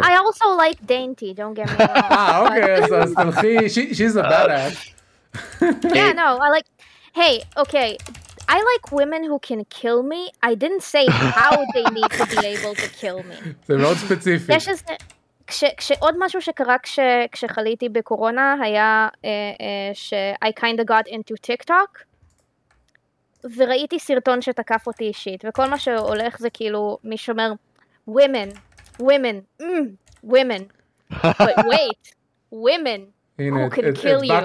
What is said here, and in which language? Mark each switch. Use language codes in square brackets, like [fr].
[en] I also like dainty, don't get me wrong. [he] אוקיי, אז תלכי, [en] she's a badass. Yeah, no, I like, hey, okay, I like women who can kill me, I didn't say how they need to be able to kill me. [he] זה מאוד ספציפי. יש איזה, כשעוד משהו שקרה כשחליתי בקורונה, היה ש- [en] I kinda got into TikTok, [he] וראיתי סרטון שתקף אותי אישית, וכל מה שהולך זה כאילו, מי שאומר, [en] women, women, women, but wait, women, who can kill you.